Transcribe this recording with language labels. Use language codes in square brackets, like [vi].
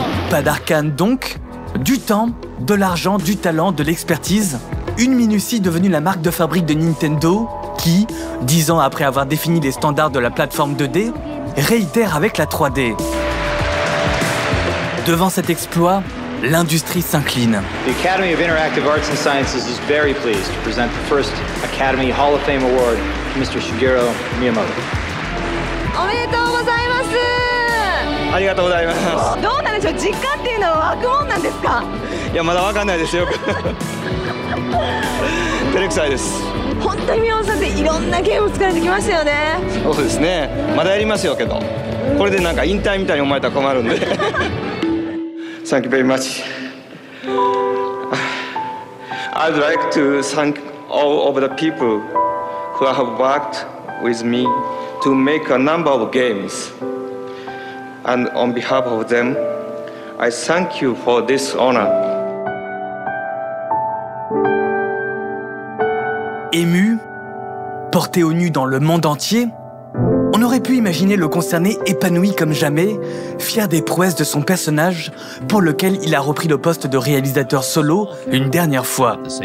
[fr] Pas d'arcane donc, du temps, de l'argent, du talent, de l'expertise, une minutie devenue la marque de fabrique de Nintendo qui, 10 ans après avoir défini les standards de la plateforme 2D, réitère avec la 3D. Devant cet exploit, l'industrie s'incline. [en] The Academy of Interactive Arts and Sciences is very pleased to present the first Academy Hall of Fame Award to Mr. Shigeru Miyamoto. [ja] おめでとうございます! ありがとうございます! どうなんでしょう?実家っていうのは湧くもんなんですか? いや、まだわかんないですよ。照れくさいです。本当に宮本さんっていろんなゲームを作られてきましたよね? そうですね。まだやりますよけど。これでなんか引退みたいに思われたら困るんで。 [en] Thank you very much. I'd like to thank all of the people who have worked with me to make a number of games. And on behalf of them, I thank you for this honor. [fr] ému, porté au nu dans le monde entier, on aurait pu imaginer le concerné épanoui comme jamais, fier des prouesses de son personnage, pour lequel il a repris le poste de réalisateur solo une dernière fois.